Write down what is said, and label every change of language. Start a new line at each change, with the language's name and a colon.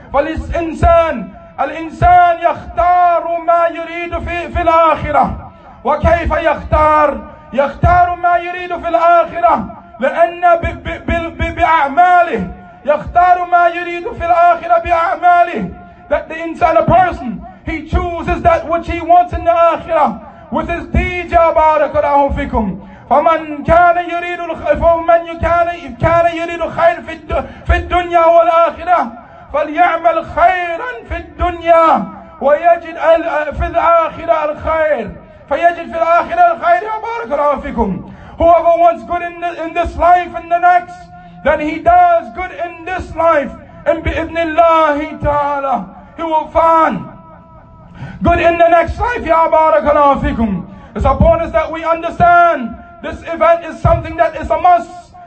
Arabic: فالإنسان, الإنسان يختار ما يريد في الآخرة. وكيف يختار؟ يختار ما يريد في الآخرة لأن بأعماله يختار ما يريد في الآخرة بأعماله.
English: That the inside a person, he chooses that which he wants in the Akhirah with his deeds.
Arabic: Ya barakallahu fikum. فمن كان يريد فمن كان يريد خير في الدنيا والآخرة فليعمل خيرا في الدنيا ويجد في الآخرة الخير فيجد في الآخرة الخير. Ya barakallahu fikum.
English: Whoever wants good in this life and the next, then he does good in this life. And
Arabic: bi'idhnillahi ta'ala,
English: he will find good in the next life.
Arabic: Ya barakallahu fikum.
English: It's upon us that we understand this event is something that is a must.